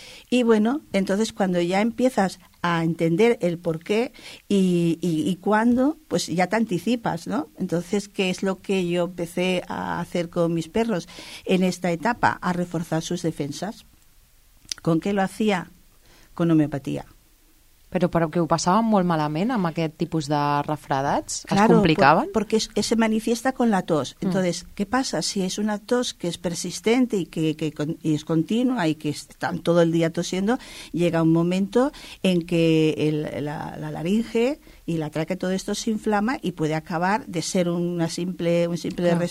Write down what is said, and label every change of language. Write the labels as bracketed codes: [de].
[es] Y bueno, entonces cuando ya empiezas a entender el por qué y cuándo, pues ya te anticipas, ¿no? Entonces, ¿qué es lo que yo empecé a hacer con mis perros en esta etapa? A reforzar sus defensas. ¿Con qué lo hacía? Con homeopatía. [ca] Però que ho passaven molt malament amb aquest tipus de refredats? Claro, es complicaven? [es] Claro, porque se manifiesta con la tos. Entonces, ¿qué pasa? Si es una tos que es persistente y que es continua y que están todo el día tosiendo, llega un momento en que la laringe y la tráquea, todo esto se inflama y puede acabar de ser un simple claro.